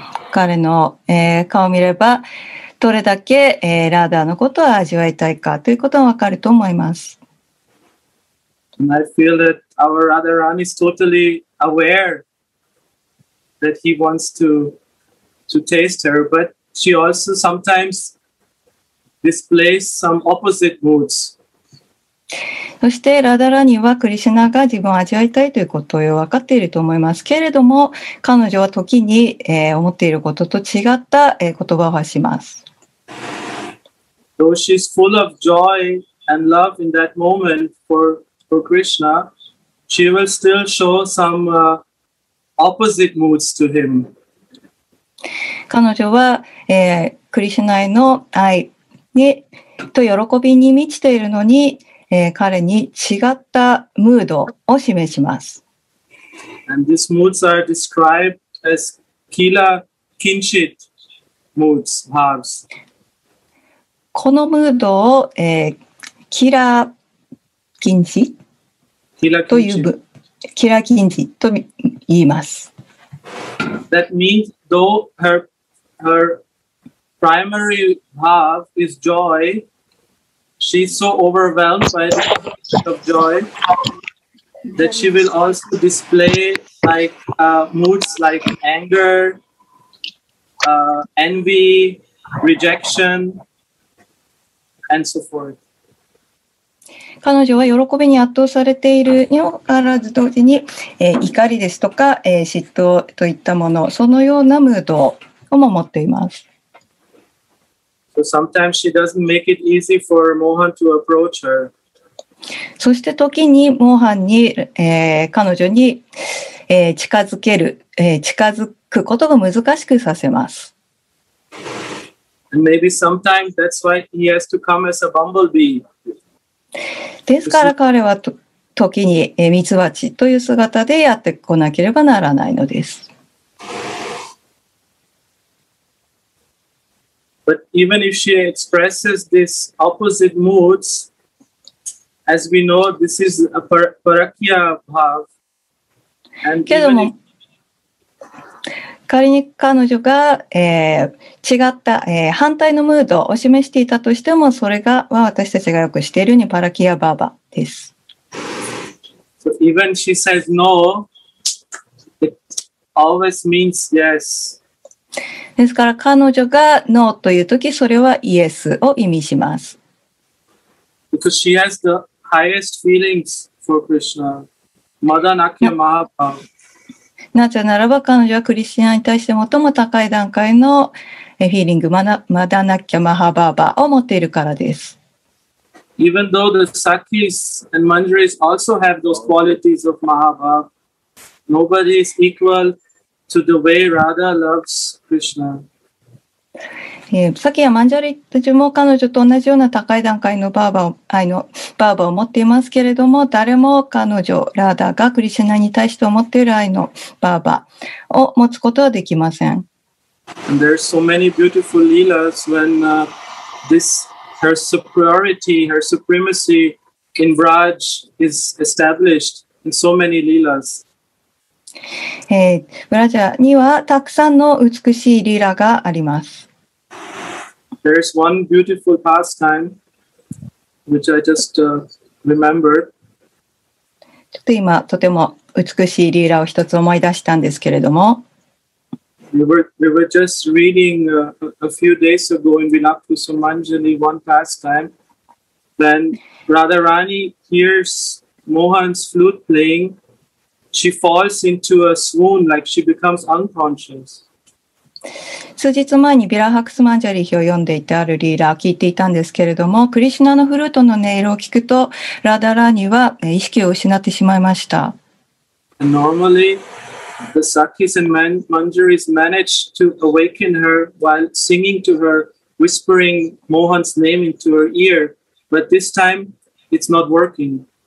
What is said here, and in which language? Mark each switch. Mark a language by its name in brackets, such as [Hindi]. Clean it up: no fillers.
[Japanese] 彼の顔を見ればどれだけラダのことを味わいたいかということがわかると思います。 [English] And I feel that our Radharani is totally aware that he wants to taste her, but she also sometimes displays some opposite moods. [Japanese] そしてラダラニはクリシュナが自分を味わいたいということを分かっていると思いますけれども、彼女は時に、思っていることと違った、言葉を発します。 [English] Though she's full of joy and love in that moment for Krishna, she will still show some, opposite moods to him. [Japanese] 彼女は、クリシュナへの愛にと喜びに満ちているのに、彼に違ったムードを示します。 [English] And these moods are described as kila kinchit moods, halves. [Japanese] このムードを、kila kinchit という、kila kinchit と言います。 [English] That means though her primary half is joy, she's so overwhelmed by the sense of joy that she will also display like moods like anger, envy, rejection, and so forth. [Japanese] 彼女は喜びに圧倒されているにもかかわらず同時に、怒りですとか、嫉妬といったものそのようなムードをも持っています。 [English] So sometimes she doesn't make it easy for Mohan to approach her. [Japanese] そして時にモーハンに、彼女に、近づける、近づくことが難しくさせます。 [English] And maybe sometimes that's why he has to come as a bumblebee. [Japanese] ですから彼は時にミツバチという姿でやってこなければならないのです。 [English] But even if she expresses this opposite moods, as we know, this is a parakya bhav. [Japanese] けども、仮に彼女が、違った、反対のムードを示していたとしても、それが私たちがよくしているようにパラキアバーバです。 [English] So even she says no, it always means yes. [Japanese] ですから彼女がノーというとき、それはイエスを意味します。 [English] Because she has the highest feelings for Krishna, Madan Akya Mahabha. [Japanese] なぜならば彼女はクリシュナに対して最も高い段階のフィーリングマダナッキャマハバーバを持っているからです。 [English] Even though the Sakis and Manjaris also have those qualities of Mahabha, nobody is equal to the way Radha loves Krishna. [Japanese] サキやマンジャリたちも彼女と同じような高い段階のバーバを愛のバーバを持っていますけれども、誰も彼女ラーダがクリシュナに対して持っている愛のバーバを持つことはできません。 [English] And there are so many beautiful leelas when this her superiority, her supremacy in Braj is established in so many leelas. [Japanese] ブラジャにはたくさんの美しいリーラがあります。 [English] There is one beautiful pastime which I just remembered. [Japanese] ちょっと今とても美しいリーラを一つ思い出したんですけれども。 [English] We were just reading a few days ago in Vinakusa Manjali one pastime. Then Radharani hears Mohan's flute playing. She falls into a swoon, like she becomes unconscious. [Japanese] 数日前にビラハクスマンジャリヒを読んでいてあるリーラーを聞いていたんですけれども、クリシナのフルートの音色を聞くとラダラーニは意識を失ってしまいました。 [English] Normally the Sakis and Manjaris managed to awaken her while singing to her, whispering Mohan's name into her ear, but this time it's not working。